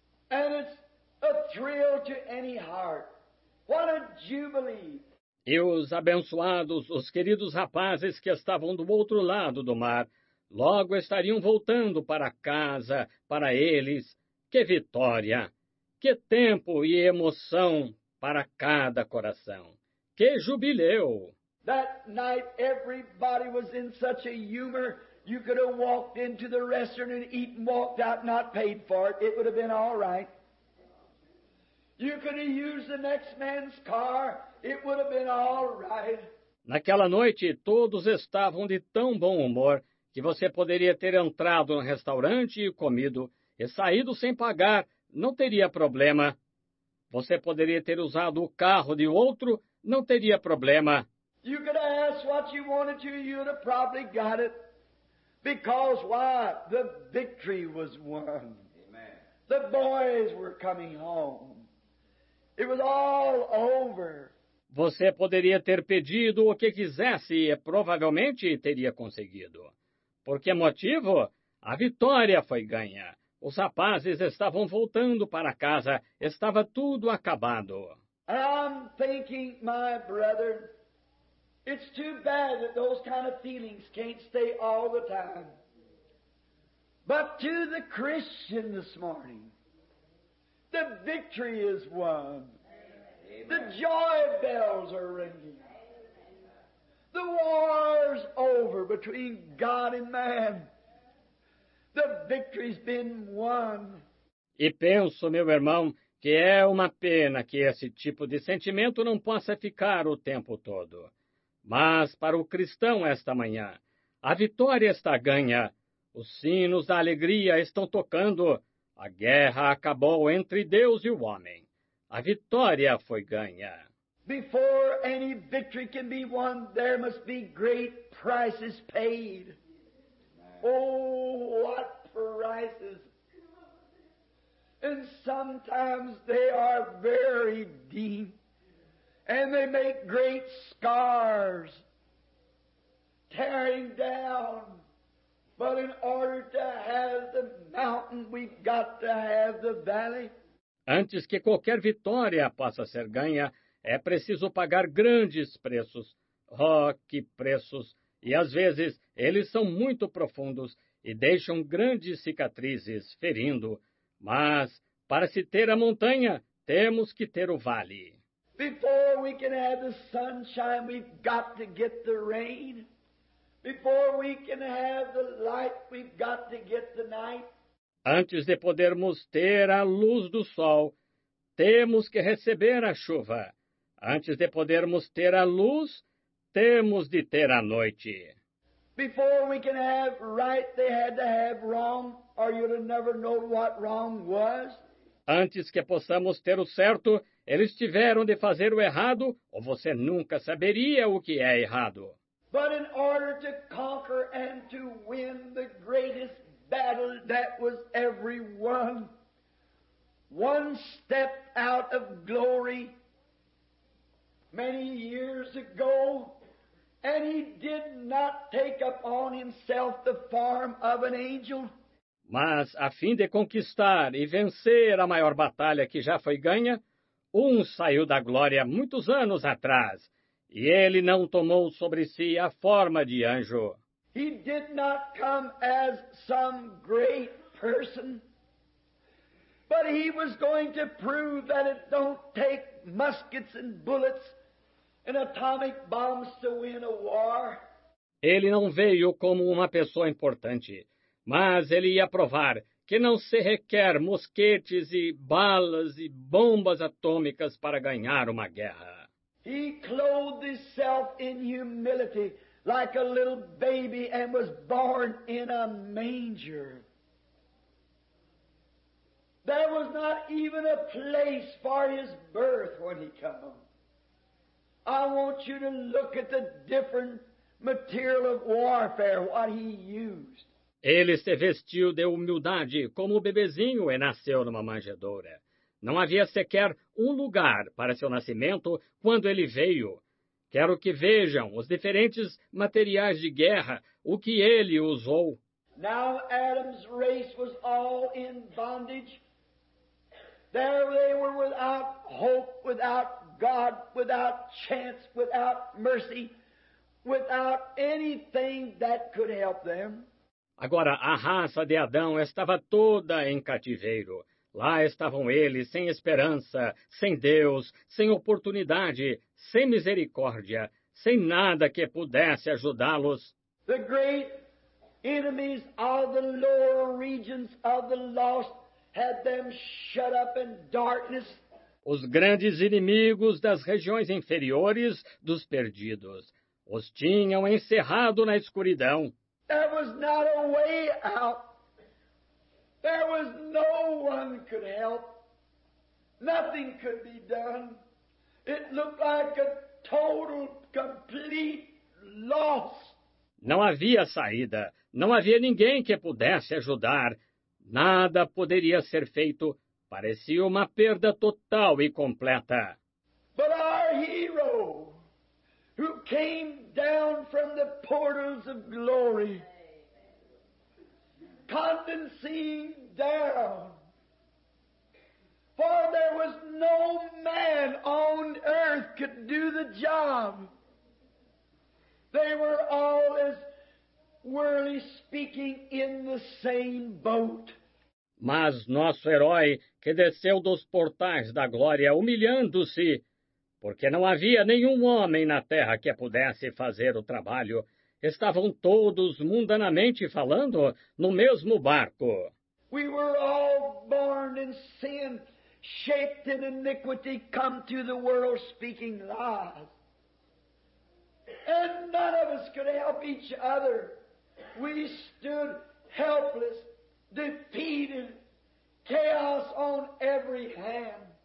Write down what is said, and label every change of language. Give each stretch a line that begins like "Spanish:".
English: And it's a thrill to any heart. What a jubilee!
Portuguese: E os abençoados, os queridos rapazes que estavam do outro lado do mar, logo estariam voltando para casa, para eles. Que vitória! Que tempo e emoção para cada coração! Que jubileu!
English: That night everybody was in such a humor, you could have walked into the restaurant and eaten, walked out, not paid for it. It would have been all right. You could have used the next man's car. It would have been all right.
Portuguese: Naquela noite, todos estavam de tão bom humor que você poderia ter entrado no restaurante e comido e saído sem pagar. Não teria problema. Você poderia ter usado o carro de outro. Não teria problema.
English: You could have asked what you wanted to. You would have probably got it. Because why? The victory was won. Amen. The boys were coming home. It was all over.
Portuguese: Você poderia ter pedido o que quisesse e provavelmente teria conseguido. Por que motivo? A vitória foi ganha. Os rapazes estavam voltando para casa. Estava tudo acabado.
English: I'm thinking, my brother, it's too bad that those kind of feelings can't stay all the time. But to the Christian this morning, the victory is won. Amen. The joy bells are ringing. The war's over between God and man. The victory's been won.
Portuguese: E penso, meu irmão, que é uma pena que esse tipo de sentimento não possa ficar o tempo todo. Mas para o cristão esta manhã, a vitória está ganha. Os sinos da alegria estão tocando. A guerra acabou entre Deus e o homem. A vitória foi ganha.
English: Before any victory can be won, there must be great prices paid. Oh, what prices! And sometimes they are very deep. And they make great scars. Tearing down. But in order to have the mountain, we've got to have the valley.
Portuguese: Antes que qualquer vitória possa ser ganha, é preciso pagar grandes preços. Oh, que preços! E às vezes, eles são muito profundos e deixam grandes cicatrizes, ferindo. Mas, para se ter a montanha, temos que ter o vale.
English: Before we can have the sunshine, we've got to get the rain. Before we can have the light, we've got to get the night.
Portuguese: Antes de podermos ter a luz do sol, temos que receber a chuva. Antes de podermos ter a luz, temos de ter a noite.
English: Before we can have right, they had to have wrong, or you'd have never known what wrong was.
Portuguese: Antes que possamos ter o certo, eles tiveram de fazer o errado, ou você nunca saberia o que é errado.
English: But in order to conquer and to win the greatest battle that was ever won, one step out of glory many years ago, and he did not take upon himself the form of an angel.
Portuguese: Mas a fim de conquistar e vencer a maior batalha que já foi ganha, um saiu da glória muitos anos atrás. E ele não tomou sobre si a forma de anjo.
English: He did not come as some great person, but he was going to prove that it don't take muskets and bullets and atomic bombs to win a war.
Portuguese: Ele não veio como uma pessoa importante, mas ele ia provar que não se requer mosquetes e balas e bombas atômicas para ganhar uma guerra.
English: He clothed himself in humility like a little baby and was born in a manger. There was not even a place for his birth when he came. I want you to look at the different material of warfare, what he used.
Portuguese: Ele se vestiu de humildade como um bebezinho e nasceu numa manjedoura. Não havia sequer um lugar para seu nascimento quando ele veio. Quero que vejam os diferentes materiais de guerra, o que ele usou.
English: Now Adam's race was all in bondage. There they were without hope, without God, without chance, without mercy, without anything that could help them.
Portuguese: Agora, a raça de Adão estava toda em cativeiro. Lá estavam eles, sem esperança, sem Deus, sem oportunidade, sem misericórdia, sem nada que pudesse ajudá-los.
English: The great enemies of the lower regions of the lost had them shut up in darkness.
Portuguese: Os grandes inimigos das regiões inferiores dos perdidos os tinham encerrado na escuridão.
English: There was not a way out. There was no one could help. Nothing could be done. It looked like a total, complete loss.
Portuguese: Não havia saída. Não havia ninguém que pudesse ajudar. Nada poderia ser feito. Parecia uma perda total e completa.
English: But our hero, who came down from the portals of glory, condescending down, for there was no man on earth could do the job. They were all, as worldly speaking, in the same boat.
Portuguese: Mas nosso herói, que desceu dos portais da glória humilhando-se, porque não havia nenhum homem na terra que pudesse fazer o trabalho, estavam todos, mundanamente falando, no mesmo barco.
English: We were all born in sin, shaped in iniquity, come to the world speaking lies. And none of us could help each other. We stood helpless, defeated, chaos on every hand.